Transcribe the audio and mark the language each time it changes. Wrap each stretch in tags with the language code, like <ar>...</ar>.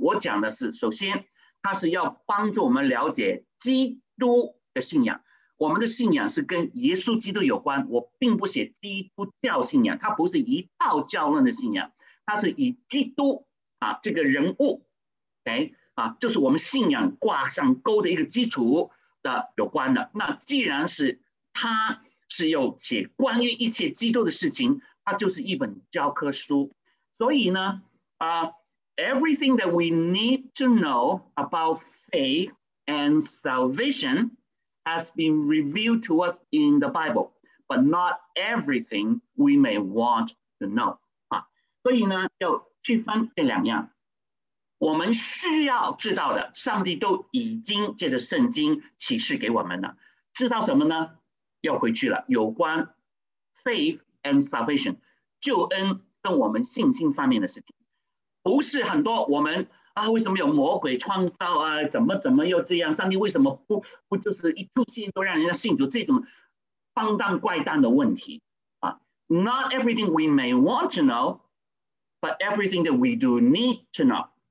<zh>我讲的是首先它是要帮助我们了解基督的信仰，我们的信仰是跟耶稣基督有关，我并不写基督教信仰，它不是一道教论的信仰，它是以基督啊这个人物、okay? 啊、就是我们信仰挂上钩的一个基础的有关的。那既然是它是有写关于一切基督的事情，它就是一本教科书。所以呢</zh> <en>everything that we need to know about faith and salvation has been revealed to us in the Bible, but not everything we may want to know.、</en> <zh>啊、所以呢就区分这两样。我们需要知道的，上帝都已经借着圣经启示给我们了。知道什么呢？要回去了，有关</zh> <en>faith and salvation,</en> <zh>救恩跟我们信心方面的事情。不是很多我们啊，为什么有魔鬼创造啊，怎么怎么又这样，上帝为什么不就是一出现都让人家信主，这种荒诞怪诞的问题、啊、</zh> <en>Not everything we may want to know, but everything that we do need to know.</en>